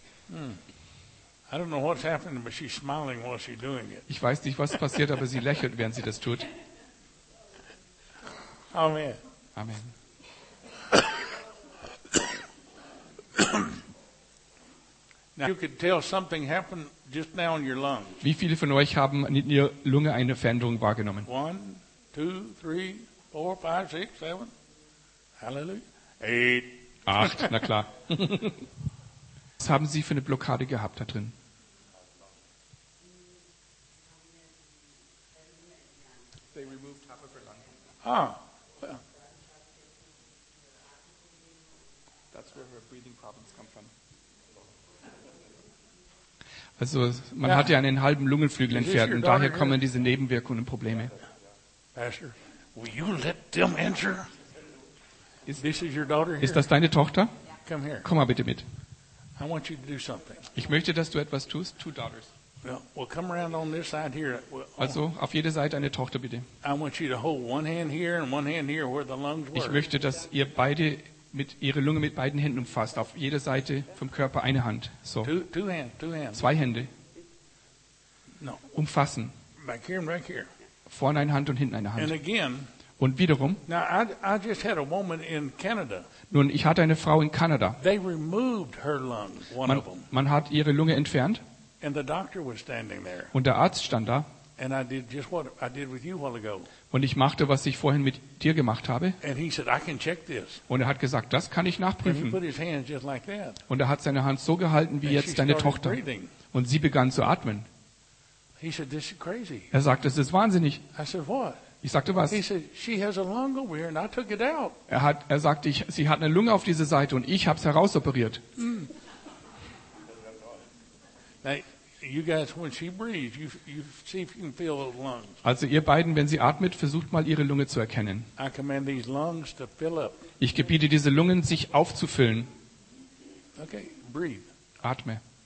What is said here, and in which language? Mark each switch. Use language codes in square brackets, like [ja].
[en] I don't know what's happening, but she's smiling while she's doing it. [de] Ich weiß nicht, was passiert, aber sie lächelt, während sie das tut. [en] Amen. [de] Amen. [en] Now you could tell something happened just now in your lungs. [de] Wie viele von euch haben in ihrer Lunge eine Veränderung wahrgenommen? [en] 1, 2, 3, 4, 5, 6, 7. Hallelujah. [de] 8. 8, na klar. Was haben Sie für eine Blockade gehabt da drin? [en] Ah, well. That's where her breathing problems come from. [de] Also, man hat ja einen halben Lungenflügel entfernt und daher kommen diese Nebenwirkungen und Probleme. [en] Pastor, will you let them enter? This is your daughter here. [de] Ist das deine Tochter? [en] Come here. [de] Komm mal bitte mit. [en] I want you to do something. [de] Ich möchte, dass du etwas tust. [en] Two daughters. Well, come around on this side here. [de] Also auf jede Seite eine Tochter bitte. [en] I want you to hold one hand here and one hand here where the lungs were. [de] Ich möchte, dass ihr beide mit ihre Lunge mit beiden Händen umfasst. Auf jede Seite vom Körper eine Hand. So. [en] Two hands. [de] Zwei Hände. [en] No. [de] Umfassen. [en] Back here and back here. [de] Vorne eine Hand und hinten eine Hand. [en] And again. [de] Und wiederum. [en] Now I just had a woman in Canada. [de] Nun, ich hatte eine Frau in Kanada. [en] They removed her lungs, one of them. [de] Man hat ihre Lunge entfernt. [en] And the doctor was standing there. [de] Und der Arzt stand da. [en] And I did just what I did with you a while ago. [de] Und ich machte, was ich vorhin mit dir gemacht habe. [en] And he said, I can check this. [de] Und er hat gesagt, das kann ich nachprüfen. [en] And he put his hand just like that. [de] Und er hat seine Hand so gehalten wie [en] and [de] jetzt deine Tochter. [en] Breathing. [de] Und sie begann zu atmen. [en] He said, this is crazy. [de] Er sagte, es ist wahnsinnig. [en] I said, what? [de] Ich sagte, was? [en] He said, she has a lung over here and I took it out. [de] Er sagte, sie hat eine Lunge auf dieser Seite und ich habe es herausoperiert. [en] You guys, when she breathes, you see if you can feel those lungs. [de] Also ihr beiden, wenn sie atmet, versucht mal ihre Lunge zu erkennen. [en] I command these lungs to fill up. [de] Ich gebiete diese Lungen, sich aufzufüllen. [en] Okay, breathe. [de] Atme.